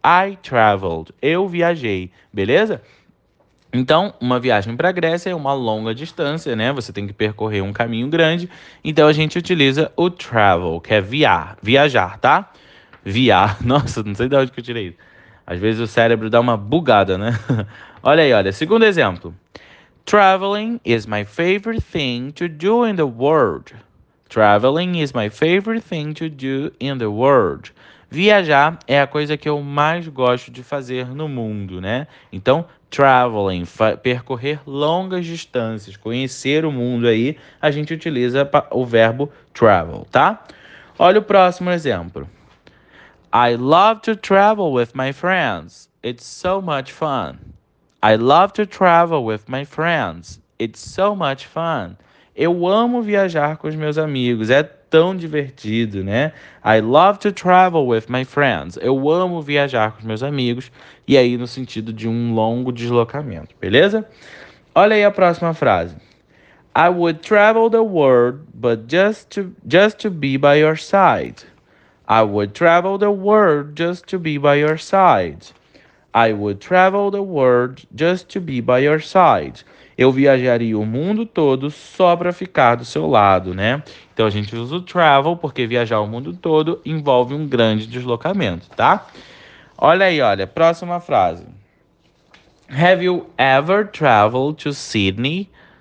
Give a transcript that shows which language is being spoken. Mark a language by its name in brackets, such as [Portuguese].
[English] I traveled. [Portuguese] Eu viajei, beleza? Então, uma viagem para a Grécia é uma longa distância, né? Você tem que percorrer um caminho grande. Então, a gente utiliza o travel, que é viajar, tá? Viajar. Nossa, não sei de onde que eu tirei isso. Às vezes o cérebro dá uma bugada, né? Olha aí, olha. Segundo exemplo. [English] Traveling is my favorite thing to do in the world. Traveling is my favorite thing to do in the world. [Portuguese] Viajar é a coisa que eu mais gosto de fazer no mundo, né? Então, traveling, percorrer longas distâncias, conhecer o mundo aí, a gente utiliza o verbo travel, tá? Olha o próximo exemplo. [English] I love to travel with my friends. It's so much fun. I love to travel with my friends. It's so much fun. [Portuguese] Eu amo viajar com os meus amigos, é tão divertido, né? [English] I love to travel with my friends. [Portuguese] Eu amo viajar com os meus amigos, e aí no sentido de um longo deslocamento, beleza? Olha aí a próxima frase. [English] I would travel the world, but just to be by your side. I would travel the world just to be by your side. I would travel the world just to be by your side. [Portuguese] Eu viajaria o mundo todo só para ficar do seu lado, né? Então a gente usa o travel porque viajar o mundo todo envolve um grande deslocamento, tá? Olha aí, olha, próxima frase. [English] Have you ever traveled to Sydney?